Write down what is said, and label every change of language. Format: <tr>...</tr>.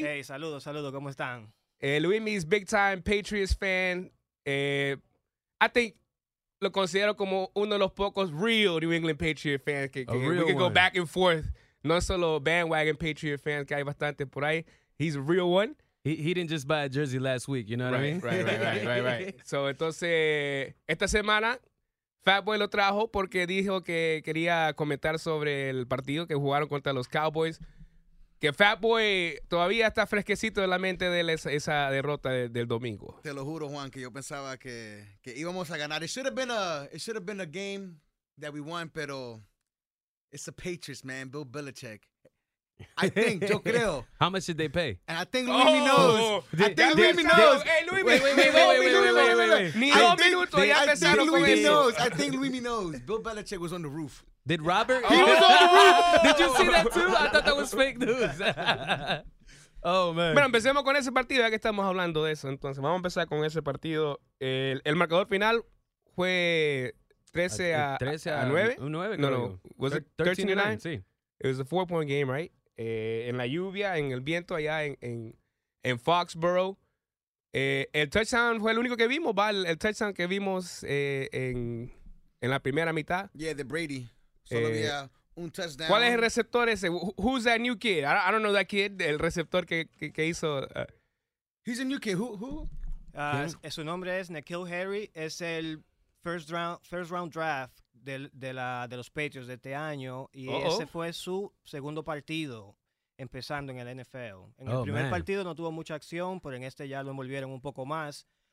<es>Hey, saludo. ¿Cómo están?</es> <en>Luimi's big time Patriots fan. I think...</en> <es>Lo considero como uno de los pocos</es> <en>real New England Patriot fans. We can go back and forth.</en> <es>No solo</es> <en>bandwagon Patriot fans,</en> <es>que hay bastante por ahí.</es> <en>He's a real one. He didn't just buy a jersey last week, you know what I mean? Right.</en> <es>So, entonces, esta semana, Fatboy lo trajo porque dijo que quería comentar sobre el partido que jugaron contra los Cowboys. Que Fatboy todavía está fresquecito en la mente de él esa derrota del domingo. Te lo juro, Juan, que yo pensaba que íbamos a ganar.</es> <en>It should have been a game that we won,</en> <es>pero</es> <en>it's the Patriots, man.</en> <es>Bill Belichick. Yo creo.</es> <en>How much did they pay? And I think Luimi knows. I think Luimi knows. Bill Belichick was on the roof. Did Robert? He was on the roof. Did you see that too? I thought that was fake news. Oh, man.</en> <es>Bueno, empecemos con ese partido, ya que estamos hablando de eso. Entonces, vamos a empezar con ese partido. El marcador final fue 13-9. Sí.</es> <en>It was a 4-point game, right?</en> <es>En la lluvia, en el viento allá en Foxborough. El touchdown fue el único que vimos, ¿vale? El touchdown que vimos en la primera mitad. Yeah, de Brady. Solo había un touchdown. ¿Cuál es el receptor ese?</es> <en>Who's that new kid? I don't know that kid,</en> <es>el receptor que hizo.</es> <en>He's a new kid. Who?</en> <es>Su nombre es Nikhil Harry. Es el</es> <en>first round draft</en> <es>de los Patriots de este año. Y ese fue su segundo partido empezando en el NFL. En el primer partido no tuvo mucha acción, pero en este ya lo envolvieron un poco más.</es>